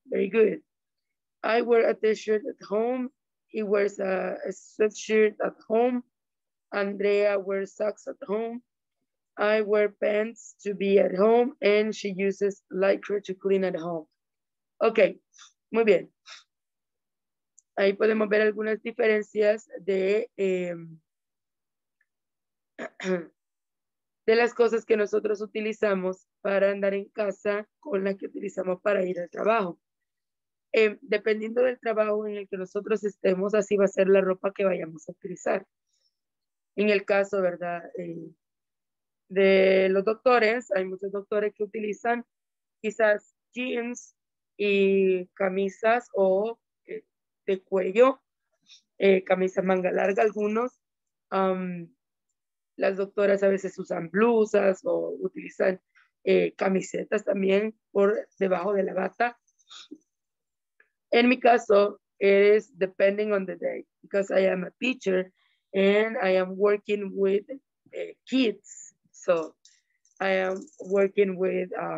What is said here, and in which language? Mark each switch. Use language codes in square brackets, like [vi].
[en] Very good. I wear a t-shirt at home. He wears a sweatshirt at home. Andrea wears socks at home. I wear pants to be at home. And she uses lycra to clean at home. [es] Okay, muy bien. Ahí podemos ver algunas diferencias de las cosas que nosotros utilizamos para andar en casa con las que utilizamos para ir al trabajo. Dependiendo del trabajo en el que nosotros estemos, así va a ser la ropa que vayamos a utilizar. En el caso, ¿verdad? De los doctores, hay muchos doctores que utilizan quizás jeans y camisas o de cuello, camisa manga larga algunos, las doctoras a veces usan blusas o utilizan camisetas también por debajo de la bata. En mi caso, [en] it is depending on the day, because I am a teacher and I am working with kids, so I am working with